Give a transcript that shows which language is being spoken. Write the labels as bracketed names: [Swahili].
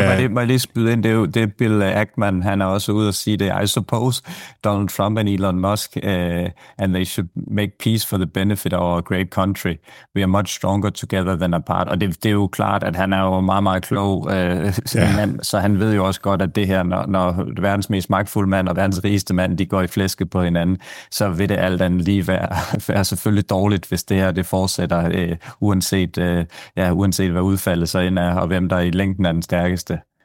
[Danish] Må jeg lige spyde ind, det er Bill Ackman, han er også ude at sige det. [English] I suppose Donald Trump and Elon Musk, and they should make peace for the benefit of our great country. We are much stronger together than apart. [Danish] Og det er jo klart, at han er jo meget, meget klog, mand, så han ved jo også godt, at det her, når verdens mest magtfulde mand og verdens rigeste mand, de går i flæske på hinanden, så vil det alt andet lige være selvfølgelig dårligt, hvis det her det fortsætter, uanset hvad udfaldet så ind er, og hvem der er i længden den er den stærkeste.